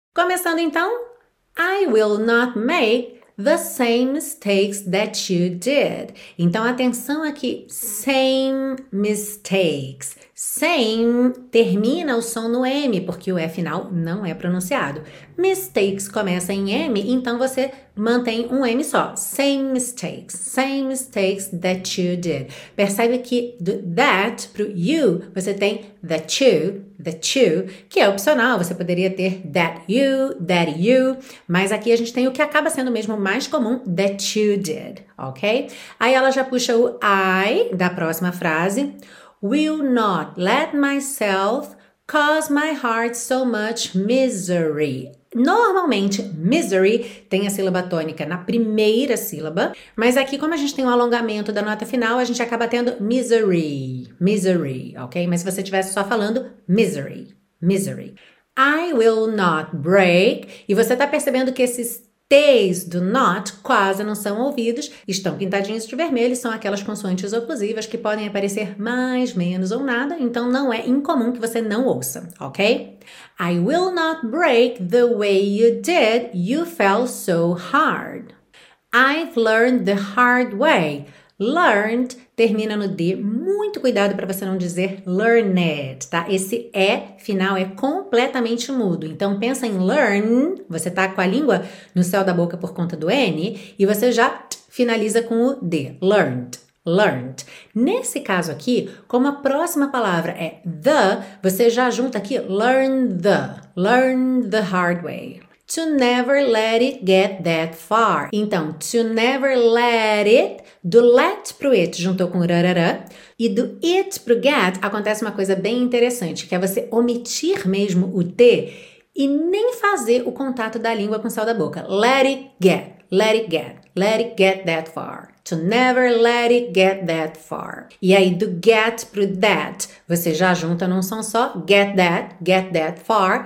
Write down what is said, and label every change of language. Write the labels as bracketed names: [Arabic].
[Portuguese] Começando então, [English] I will not make the same mistakes that you did. [Portuguese] Então, atenção aqui, same mistakes. Same termina o som no M, porque o E final não é pronunciado. Mistakes começa em M, então você mantém um M só. [English] Same mistakes that you did. [Portuguese] Percebe que do that pro you você tem that you, que é opcional, você poderia ter that you, mas aqui a gente tem o que acaba sendo mesmo mais comum, that you did, ok? Aí ela já puxa o I da próxima frase. [English] Will not let myself cause my heart so much misery. [Portuguese] Normalmente, misery tem a sílaba tônica na primeira sílaba, mas aqui, como a gente tem um alongamento da nota final, a gente acaba tendo misery, ok? Mas se você estivesse só falando misery. [English] I will not break. [Portuguese] E você está percebendo que esses T's do not quase não são ouvidos, estão pintadinhos de vermelho, são aquelas consoantes oclusivas que podem aparecer mais, menos ou nada, então não é incomum que você não ouça, ok? [English] I will not break the way you did, you fell so hard. I've learned the hard way. [Portuguese] Learned termina no D, muito cuidado para você não dizer learned, tá? Esse E final é completamente mudo. Então pensa em learn, você tá com a língua no céu da boca por conta do N, e você já finaliza com o D, learned. Nesse caso aqui, como a próxima palavra é the, você já junta aqui [English] learn the hard way. To never let it get that far. [Portuguese] Então, to never let it, do let pro it, juntou com rarara, e do it pro get, acontece uma coisa bem interessante, que é você omitir mesmo o T e nem fazer o contato da língua com o céu da boca. [English] Let it get that far. To never let it get that far. [Portuguese] E aí, do get pro that, você já junta num som só, get that far.